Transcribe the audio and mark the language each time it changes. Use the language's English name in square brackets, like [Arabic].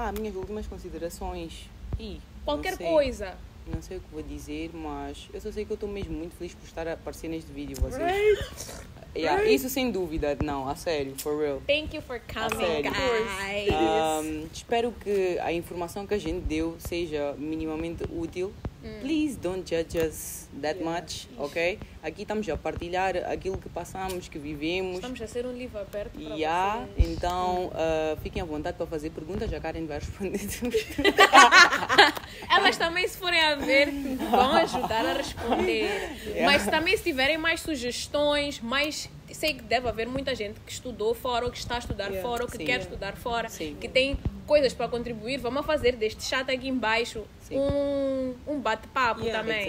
[Portuguese] Minhas últimas considerações. Qualquer coisa. Não sei o que vou dizer, mas eu só sei que eu estou mesmo muito feliz por estar a aparecer neste vídeo com vocês. [English] Right. [Portuguese] Isso sem dúvida, não, a sério, for real. [English] Thank you for coming, guys. [Portuguese] Espero que a informação que a gente deu seja minimamente útil. Mm. [English] Please don't judge us that much, ok? [Portuguese] Aqui estamos a partilhar aquilo que passamos, que vivemos. Estamos a ser um livro aberto para vocês. Então, fiquem à vontade para fazer perguntas, a Karen vai responder tudo. Elas também, se forem a ver, vão ajudar a responder. Mas também, se tiverem mais sugestões, mais... Sei que deve haver muita gente que estudou fora, ou que está a estudar fora, ou que quer estudar fora, que tem coisas para contribuir, vamos fazer deste chat aqui embaixo um bate-papo também.